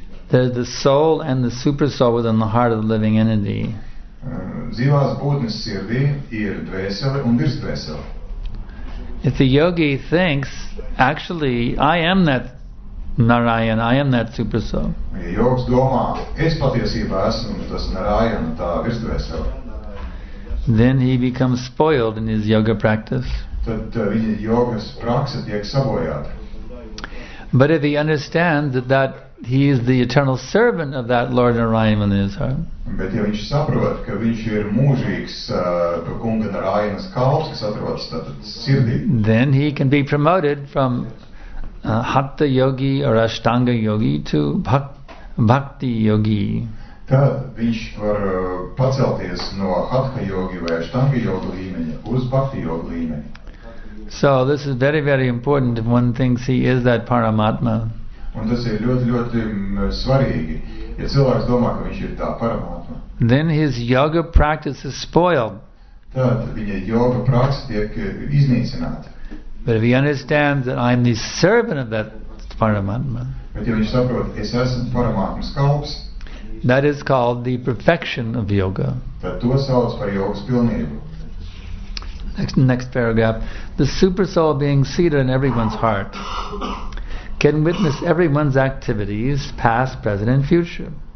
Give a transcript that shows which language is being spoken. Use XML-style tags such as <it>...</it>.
<en>There's the soul and the super soul within the heart of the living entity.</en> <lv>dzīvās būtnes sirdī ir dvēsele un virs dvēsele.</lv> <en>If the yogi thinks, actually, I am that Narayana, I am that super soul.</en> <lv>Ja jogs domā, es patiesībā esmu tas Narayana, tā virs dvēsele.</lv> <en>Then he becomes spoiled in his yoga practice.</en> <lv>Tad viņa jogas praksa tiek sabojāta.</lv> <en>But if he understands that he is the eternal servant of that Lord Narayana in his heart.</en> <lv>Bet ja viņš saprot, ka viņš ir mūžīgs to kunga Narayanas kalps, kas atrodas tātad sirdī.</lv> <en>Then he can be promoted from Hatha yogi or Ashtanga yogi to Bhakti yogi.</en> <lv>Tad viņš var pacelties no Hatha yogi vai Ashtanga yoga līmeņa uz Bhakti yoga līmeņa.</lv> <en>So this is very, very important if one thinks he is that Paramatma.</en> <lv>Un tas ir ļoti, ļoti svarīgi, ja cilvēks domā, ka viņš ir tā Paramatma.</lv> <en>Then his yoga practice is spoiled.</en> <lv>Tad viņa yoga praksa tiek iznīcināta.</lv> <en>But if he understands that I'm the servant of that Paramatma.</en> <lv>Bet ja viņš saprot, es esmu Paramatmas kalps.</lv> <en>That is called the perfection of yoga.</en> <lv>Tad to sauc par yogas pilnību.</lv> <en>Next paragraph. The super soul being seated in everyone's heart can witness everyone's activities, past, present, and future.</en>